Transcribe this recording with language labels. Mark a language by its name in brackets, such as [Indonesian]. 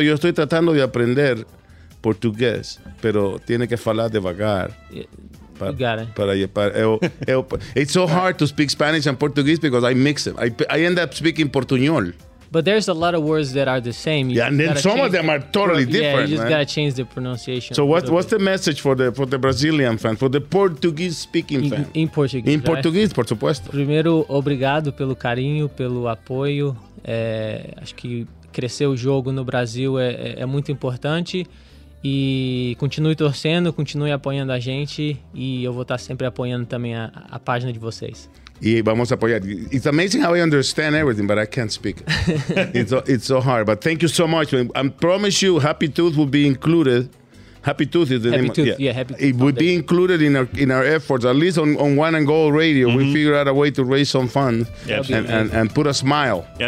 [Spanish] Yo estoy tratando de aprender Portuguese, pero tiene que hablar devagar. [English] Yeah. You got it. It's so hard to speak Spanish and Portuguese because I mix them. I end up speaking Portuñol. But there's a lot of words that are the same. And some of them are totally different. Yeah, you just got to change the pronunciation. So what's the message for the Brazilian fan, for the Portuguese speaking fan? In Portuguese. In Portuguese, [Spanish] por supuesto. [Portuguese] Primeiro, obrigado pelo carinho, pelo apoio. Acho que crescer o jogo no Brasil é muito importante. E continue torcendo, continue apoiando a gente e eu vou estar sempre apoiando também a página de vocês. E vamos apoiar. [English] It's amazing how I understand everything, but I can't speak. it's so hard, but thank you so much. I promise you Happy Tooth will be included. Happy Tooth is the Happy name. Tooth. Yeah. Happy Tooth. It would be included in our efforts, at least on One and Goal Radio. Mm-hmm. We figure out a way to raise some funds and put a smile